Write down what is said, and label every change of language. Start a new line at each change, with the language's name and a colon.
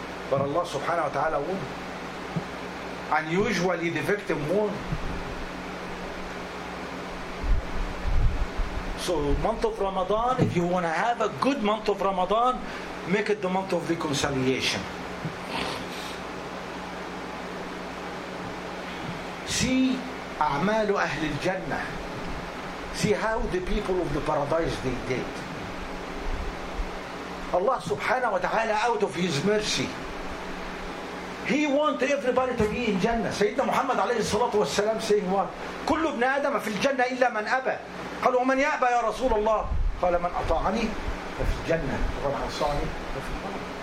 English: But Allah subhanahu wa ta'ala won. And usually the victim won. So month of Ramadan, if you want to have a good month of Ramadan, make it the month of reconciliation. See
Arabic: أعمال أهل الجنة.
English: See how the people of the paradise they did. Allah subhanahu wa ta'ala, out of His mercy, He want everybody to be in Jannah. Sayyidina Muhammad alayhi salatu wa salam saying what?
Arabic: كل ابن آدم في الجنة إلا من أبى. قال ومن يأبى يا رسول الله؟ قال من أطاعني ففي الجنة ومن عصاني ففي النار.